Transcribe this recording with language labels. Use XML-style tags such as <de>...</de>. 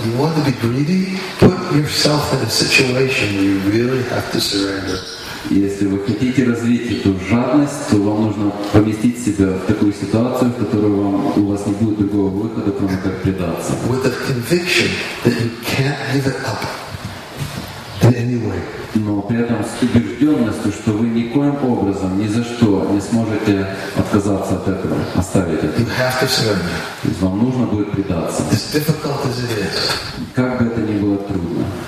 <en>You want to be greedy? Put yourself in a situation where you really have to surrender.</en> <ru>Если вы хотите развить эту жадность, то вам нужно поместить себя в такую ситуацию, в которой у вас не будет другого выхода, кроме как предаться.</ru> <en>With a conviction that you can't give it up in any way.</en> <ru>Но при этом с убежденностью, что вы никоим образом, ни за что не сможете отказаться от этого, оставить это.</ru> <en>You have to surrender.</en> <ru>То есть вам нужно будет предаться.</ru> <en>As difficult as it is.</en> <ru>Как бы это ни было трудно.</ru>